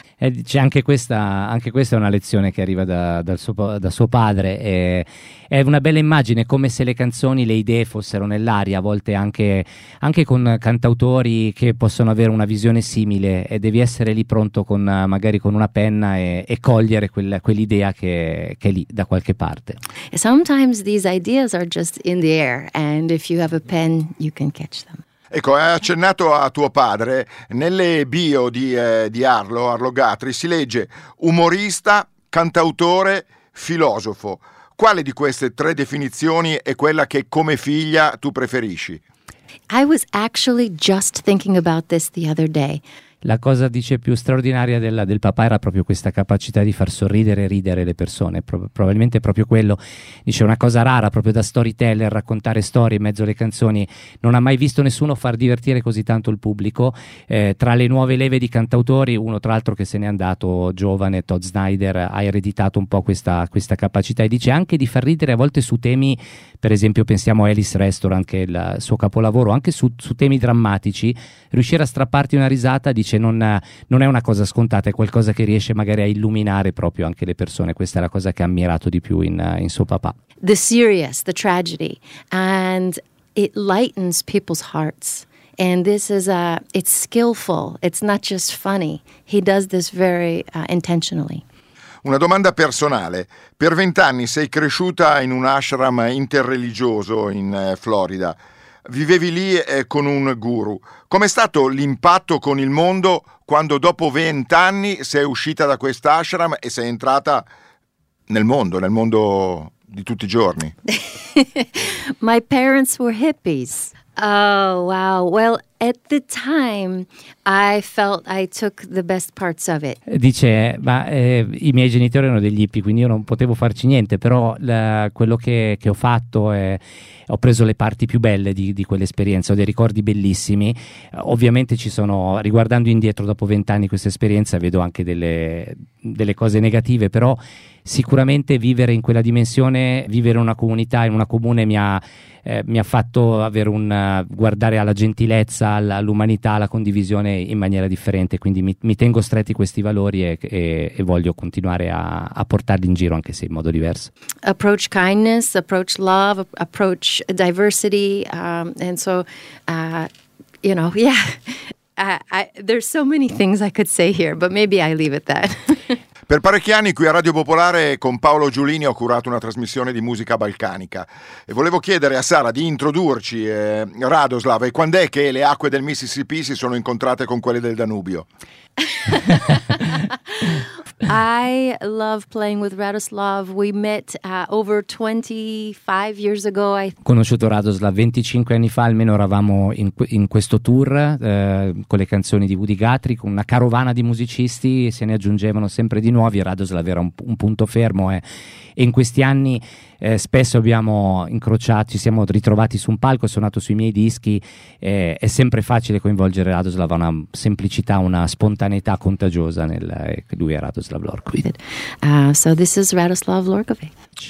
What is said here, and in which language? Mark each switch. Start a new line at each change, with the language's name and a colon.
Italian: C'è anche questa è una lezione che arriva da suo padre. È una bella immagine, come se le canzoni, le idee fossero nell'aria, a volte anche con cantautori che possono avere una visione simile, e devi essere lì pronto con magari con una penna e cogliere quell'idea che è lì da qualche parte.
English: Sometimes these ideas are just in the air, and if you have a pen you can catch them.
Italian: Ecco, hai accennato a tuo padre. Nelle bio di Arlo Guthrie si legge umorista, cantautore, filosofo. Quale di queste tre definizioni è quella che come figlia tu preferisci?
English: I was actually just thinking about this the other day.
Italian: La cosa, dice, più straordinaria del papà era proprio questa capacità di far sorridere e ridere le persone, probabilmente proprio quello, dice, una cosa rara proprio da storyteller, raccontare storie in mezzo alle canzoni. Non ha mai visto nessuno far divertire così tanto il pubblico. Tra le nuove leve di cantautori, uno tra l'altro che se n'è andato giovane, Todd Snyder, ha ereditato un po' questa capacità, e dice anche di far ridere a volte su temi, per esempio pensiamo a Alice Restaurant, che è il suo capolavoro, anche su temi drammatici, riuscire a strapparti una risata, dice, non è una cosa scontata, è qualcosa che riesce magari a illuminare proprio anche le persone. Questa è la cosa che ha ammirato di più in suo papà.
English: The serious, the tragedy, and it lightens people's hearts. And this is it's skillful, it's not just funny. He does this very intentionally.
Italian: Una domanda personale: per 20 anni sei cresciuta in un ashram interreligioso in Florida. Vivevi lì con un guru. Com'è stato l'impatto con il mondo quando dopo 20 anni sei uscita da quest'ashram e sei entrata nel mondo di tutti i giorni?
English: My parents were hippies. Oh, wow. Well, at the time, I felt I took the best parts of it.
Italian: Dice, ma i miei genitori erano degli hippie, quindi io non potevo farci niente, però quello che ho fatto è ho preso le parti più belle di quell'esperienza, ho dei ricordi bellissimi. Ovviamente ci sono, riguardando indietro dopo 20 anni questa esperienza, vedo anche delle cose negative, però sicuramente vivere in quella dimensione, vivere in una comunità, in una comune, mi ha fatto avere un guardare alla gentilezza, all'umanità, alla condivisione in maniera differente. Quindi mi tengo stretti questi valori e voglio continuare a portarli in giro, anche se in modo diverso.
English: Approach kindness, approach love, approach diversity, there's so many things I could say here, but maybe I leave it that.
Italian: Per parecchi anni qui a Radio Popolare con Paolo Giulini ho curato una trasmissione di musica balcanica e volevo chiedere a Sara di introdurci Radoslav e quand'è che le acque del Mississippi si sono incontrate con quelle del Danubio.
English: I love playing with Radoslav. We met over 25 years ago.
Italian: Ho conosciuto Radoslav 25 anni fa, almeno eravamo in questo tour con le canzoni di Woody Guthrie, con una carovana di musicisti, e se ne aggiungevano sempre di nuovi. Radoslav era un punto fermo e in questi anni spesso abbiamo incrociato, ci siamo ritrovati su un palco, suonato sui miei dischi. È sempre facile coinvolgere Radoslav, ha una semplicità, una spontaneità contagiosa. Lui è Radoslav Lorkovic.
English: So this is Radoslav Lorkovic.